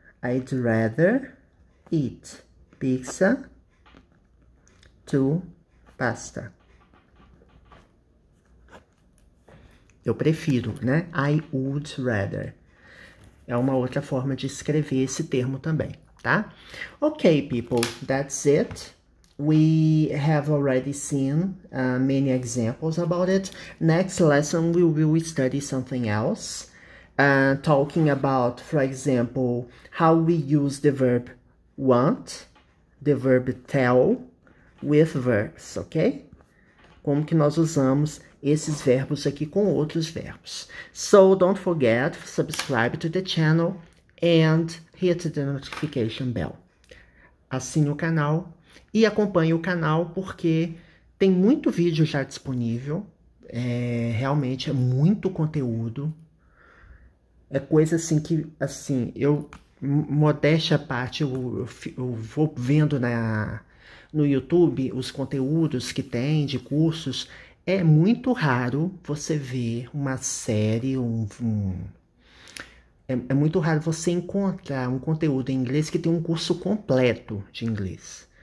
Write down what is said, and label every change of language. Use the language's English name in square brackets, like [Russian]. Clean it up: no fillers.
[English] I'd rather eat pizza to pasta. [Portuguese] Eu prefiro, né? [English] I would rather. [Portuguese] É uma outra forma de escrever esse termo também, tá? [English] Okay, people, that's it. We have already seen many examples about it. Next lesson, we will study something else, talking about, for example, how we use the verb want, the verb tell, with verbs, ok? [Portuguese] Como que nós usamos esses verbos aqui com outros verbos. [English] So, don't forget to subscribe to the channel and hit the notification bell. [Portuguese] Assine o canal e acompanhe o canal porque tem muito vídeo já disponível. Realmente é muito conteúdo. É coisa assim que, assim, eu, modéstia à parte, eu vou vendo no YouTube, os conteúdos que tem de cursos, é muito raro você ver uma série, é muito raro você encontrar um conteúdo em inglês que tem um curso completo de inglês.